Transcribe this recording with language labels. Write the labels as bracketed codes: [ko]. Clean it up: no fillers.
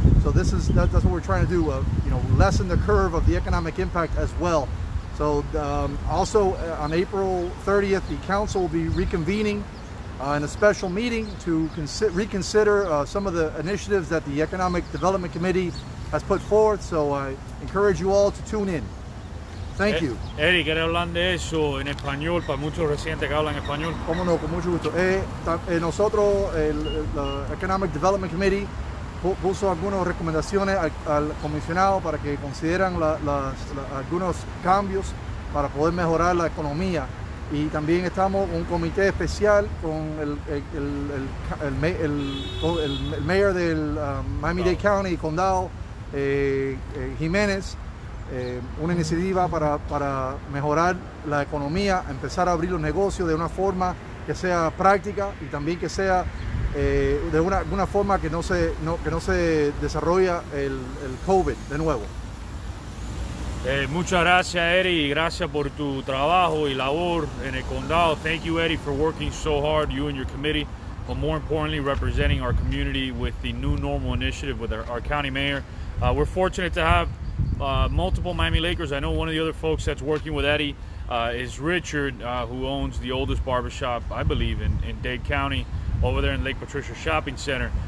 [en] So that's what we're trying to do, lessen the curve of the economic impact as well. So also on April 30th, the council will be reconvening in a special meeting to reconsider some of the initiatives that the Economic Development Committee has put forth. So I encourage you all to tune in. Thank you. [es] Eddie, ¿quiere hablar de eso en español para muchos residentes que hablan español? Cómo no, con mucho gusto. Nosotros, el Economic Development Committee, puso algunas recomendaciones al comisionado para que consideran algunos cambios para poder mejorar la economía. Y también estamos un comité especial con el mayor del Miami-Dade County, condado, Jimenez, una iniciativa para mejorar la economía, empezar a abrir los negocios de una forma que sea práctica y también que sea de una forma que no se desarrolla el COVID de nuevo. Muchas gracias, Eddie. Gracias por tu trabajo y labor en el condado. [en] Thank you, Eddie, for working so hard, you and your committee, but more importantly, representing our community with the New Normal Initiative with our county mayor. We're fortunate to have multiple Miami Lakers. I know one of the other folks that's working with Eddie is Richard, who owns the oldest barbershop, I believe, in Dade County, over there in Lake Patricia Shopping Center.